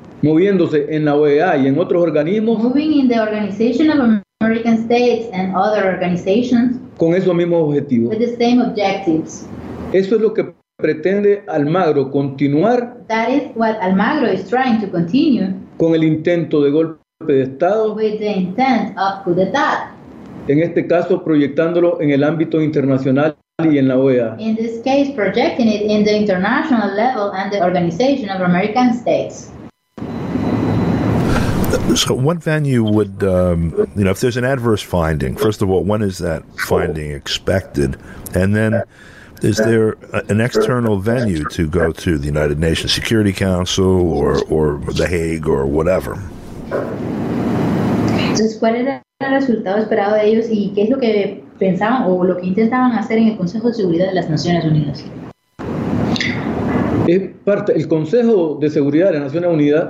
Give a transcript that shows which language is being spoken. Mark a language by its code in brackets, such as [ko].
[es] Moviéndose en la OEA y en otros organismos. [en] Moving in the Organization of American States and other organizations. [es] Con esos mismos objetivos. [en] With the same objectives. [es] Eso es lo que pretende Almagro, continuar. [en] That is what Almagro is trying to continue. [es] Con el intento de golpe de estado. [en] With the intent of coup d'etat. [es] En este caso, proyectándolo en el ámbito internacional y en la OEA. [en] In this case, projecting it in the international level and the Organization of American States. So what venue would, if there's an adverse finding, first of all, when is that finding expected? And then is there an external venue to go to, the United Nations Security Council or The Hague or whatever? [es] Entonces, ¿cuál era el resultado esperado de ellos y qué es lo que pensaban o lo que intentaban hacer en el Consejo de Seguridad de las Naciones Unidas? El Consejo de Seguridad de las Naciones Unidas.